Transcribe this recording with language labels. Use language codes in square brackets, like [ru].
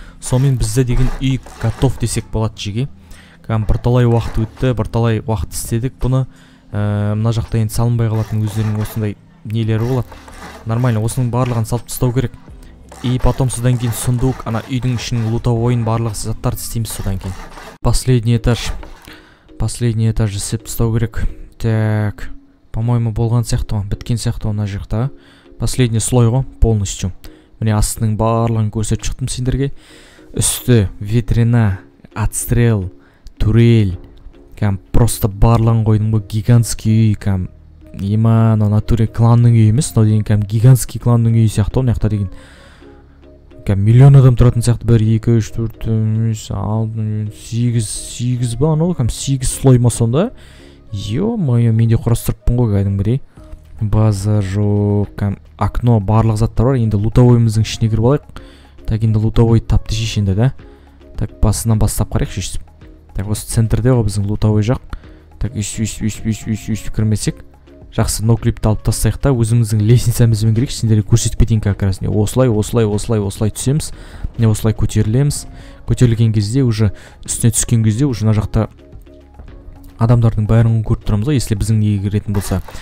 [kk] Сонымен бізде деген үй готов десек болады жеге. Кәдімгі бірталай уақыт өтті, бірталай уақыт істедік бұны. Мына жақта енді салынбай қалатын өздерінің осындай нелері болады. Нормально, осының барлығын салып тастау керек. И потом содан кейін сундук, ана үйдің ішін лутовойын барлық заттарды істейміз содан кейін. [ru] Последний этаж. Последний этаж [kk] істеп тастау керек. Так, по-моему, болған сияқты ғой, біткен сияқты ғой мына жақта. [ru] Последний слой ғой полностью. [kk] Міне астының барлығын көрсетіп шықтым сендерге. Үсті витрина, отстрел, турель. Кәм просто барлығын қойдым ғой, гигантский үй. Кәм имана натуре кланның үйі емес, мынау деген кәм гигантский кланның үйі сияқты ғой мына жақта деген. Кәм миллион адам тұратын сияқты. 1, 2, 3, 4, 5, 6, 7, 8 ба анау кәм 8 слой ма сонда. Е-мое, мен де құрастырыппын ғой кәдімгідей. База жоқ. Кәм окно барлық заттар бар. Енді лутовойымыздың ішіне кіріп алайық. Так, енді лутовой тапты шеш енді да. Так, басынан бастап қарайық шешіп. Так, осы центрде ғой біздің лутовой жақ. Так, үйсіп кірмесек. Жақсы, ноклипті алып тастайық та, өзіміздің лестницамызбен керек, сендерге көрсетіп кетейін как раз. Не осылай, осылай, осылай, осылай түсеміз, не осылай көтерілеміз. Көтерілген кезде, уже үстіне түскен кезде, уже мына жақта адамдардың бәрін көріп тұрамыз ғой, если біздің неге кіретін болса.